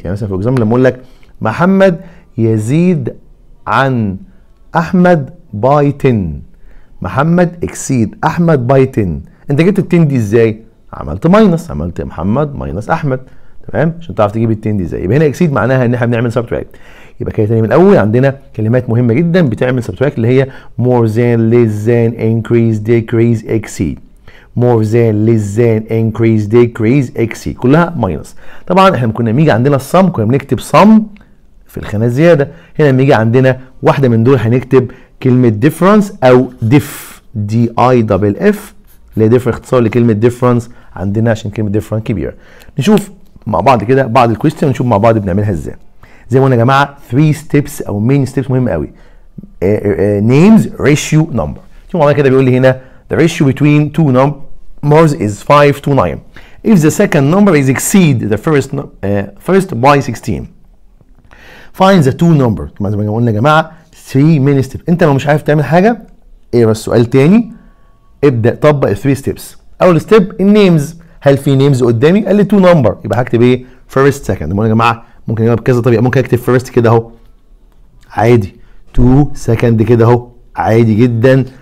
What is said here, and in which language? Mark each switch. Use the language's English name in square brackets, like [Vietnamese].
[Arabic] يعني مثلا في اكزامبل لما اقول لك محمد يزيد عن احمد باي 10، محمد اكسيد احمد باي 10، انت جبت ال 10 دي ازاي؟ عملت ماينس، عملت محمد ماينس احمد، تمام؟ عشان تعرف تجيب ال 10 دي ازاي. يبقى هنا اكسيد معناها ان احنا بنعمل سبتراكت. يبقى كده تاني من الاول، عندنا كلمات مهمه جدا بتعمل سبتراكت اللي هي مور ذان، ليس ذان، انكريز، ديكريز، اكسيد. [English] more than less than increase decrease exceed [Arabic] كلها ماينس. طبعا احنا لما كنا بيجي عندنا الصم كنا بنكتب صم في الخانه زياده، هنا لما يجي عندنا واحده من دول هنكتب كلمه difference او diff دي اي دبل اف اللي هي اختصار لكلمه difference عندنا عشان كلمه difference كبيره. نشوف مع بعض كده بعض الكويستشن ونشوف مع بعض بنعملها ازاي. زي ما قلنا يا جماعه 3 ستيبس او مين ستيبس مهم قوي. [English] names ratio number. [Arabic] شوف معايا كده بيقول لي هنا [English] the ratio between two numbers is 5 to 9 if the second number is exceed the first first by 16 find the two number. [Arabic] كما زي ما قلنا يا جماعه 3 مين ستيب. انت لو مش عارف تعمل حاجه اقرا السؤال تاني، ابدا طبق ال 3 ستيبس. اول ستيب النيمز، هل في نيمز قدامي؟ قال لي تو نمبر، يبقى هكتب ايه؟ فيرست سكند. يا جماعه ممكن اجيبها بكذا طريقه، ممكن اكتب فيرست كده اهو عادي، تو سكند كده اهو عادي جدا.